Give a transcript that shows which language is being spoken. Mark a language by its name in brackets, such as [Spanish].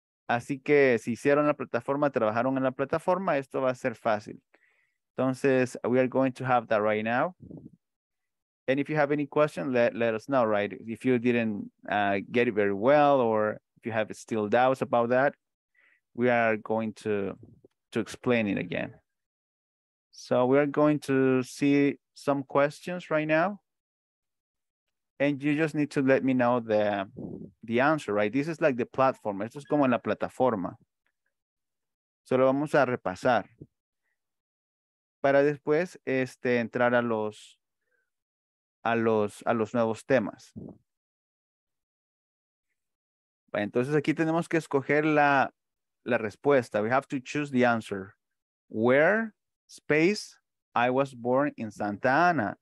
[Spanish] Así que si hicieron la plataforma, trabajaron en la plataforma, esto va a ser fácil. [English] Entonces, we are going to have that right now. And if you have any question, let us know, right? If you didn't get it very well, or if you have still doubts about that, we are going to explain it again. So we are going to see some questions right now. And you just need to let me know the answer, right? This is like the platform. [Spanish] Esto es como la plataforma. So lo vamos a repasar. Para después entrar a los nuevos temas. Bueno, entonces aquí tenemos que escoger la respuesta. [English] We have to choose the answer. Where, space, I was born in Santa Ana.